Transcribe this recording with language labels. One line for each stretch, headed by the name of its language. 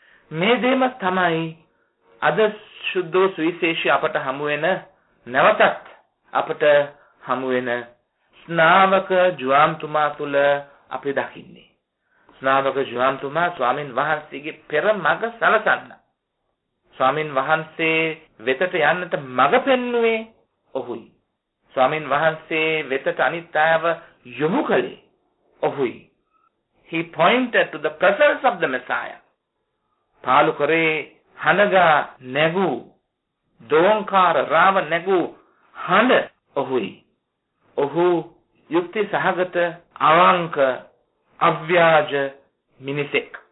Sinhala: මේ දෙම තමයි අද සුද්ධෝ සුවිශේෂී අපට හමු වෙන, නැවතත් අපට හමු වෙන ස්නාවක ජුවාම්තුමා තුල අපි දකින්නේ. ස්නාවක ජුවාම්තුමා ස්වාමින් වහන්සේගේ පෙර මඟ සලසන්න, ස්වාමින් වහන්සේ වෙතට යන්නට මඟ පෙන්වුවේ ඔහුයි. ස්වාමින් වහන්සේ වෙතට අනිත් අයව යොමු කළේ ඔහුයි.
English: He pointed to the presence of the Messiah.
Sinhala: පාලු කරේ හනගා නැගු දෝංකාර රාව නැගු හඬ ඔහුයි. ඔහු යුක්ති සහගත අවංක අව්‍යාජ මිනිසෙක්.